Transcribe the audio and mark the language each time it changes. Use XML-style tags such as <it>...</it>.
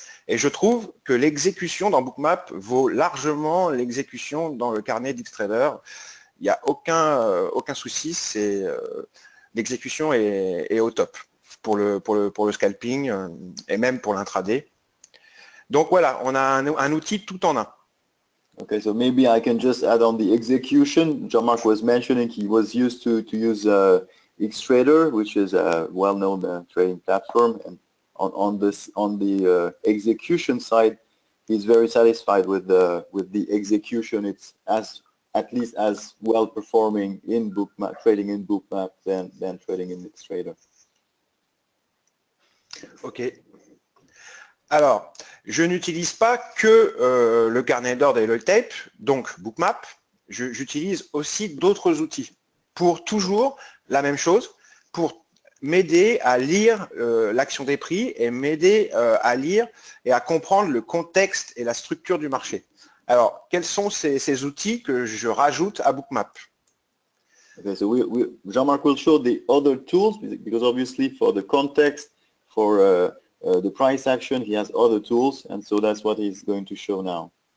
<fr>Et je trouve que l'exécution dans Bookmap vaut largement l'exécution dans le carnet d'Xtrader. Il n'y a aucun souci, l'exécution est au top pour le scalping et même pour l'intraday. Donc voilà, on a un outil tout en un.</fr> <en>Ok, so maybe I can just add on the execution. Jean-Marc was mentioning he was used to use Xtrader, which is a well-known trading platform. And on the execution side, he's very satisfied with the execution. It's at least as well performing in Bookmap, trading in Bookmap than trading in Xtrader. Ok.</en> <fr>Alors, je n'utilise pas que le carnet d'ordre et le tape, donc Bookmap. J'utilise aussi d'autres outils pour toujours la même chose, pour m'aider à lire l'action des prix et m'aider à lire et à comprendre le contexte et la structure du marché. Alors, quels sont ces outils que je rajoute à Bookmap?</fr> <en>Okay, so we Jean-Marc will show the other tools because obviously for the context for the price action, he has other tools, and so that's what he's going to show now.</en>